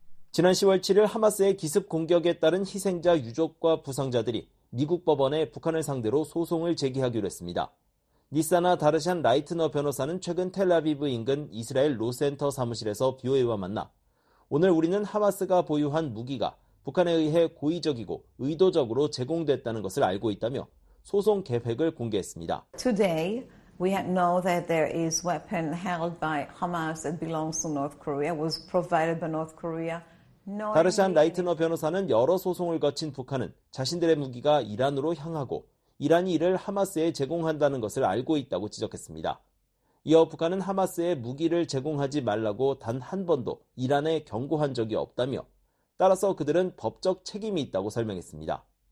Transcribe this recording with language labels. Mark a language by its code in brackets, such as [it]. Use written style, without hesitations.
[ko] 지난 10월 7일 하마스의 기습 공격에 따른 희생자 유족과 부상자들이 미국 법원에 북한을 상대로 소송을 제기하기로 했습니다. 니사나 다르샨 라이트너 변호사는 최근 텔아비브 인근 이스라엘 로센터 사무실에서 BOA와 만나 오늘 우리는 하마스가 보유한 무기가 북한에 의해 고의적이고 의도적으로 제공됐다는 것을 알고 있다며 소송 계획을 공개했습니다. [en] Today we know that there is weapon held by Hamas that belongs to North Korea was provided by North Korea. [ko] 다르샨 라이트너 변호사는 여러 소송을 거친 북한은 자신들의 무기가 이란으로 향하고 이란이 이를 하마스에 제공한다는 것을 알고 있다고 지적했습니다. 이어 북한은 하마스에 무기를 제공하지 말라고 단 한 번도 이란에 경고한 적이 없다며 따라서 그들은 법적 책임이 있다고 설명했습니다.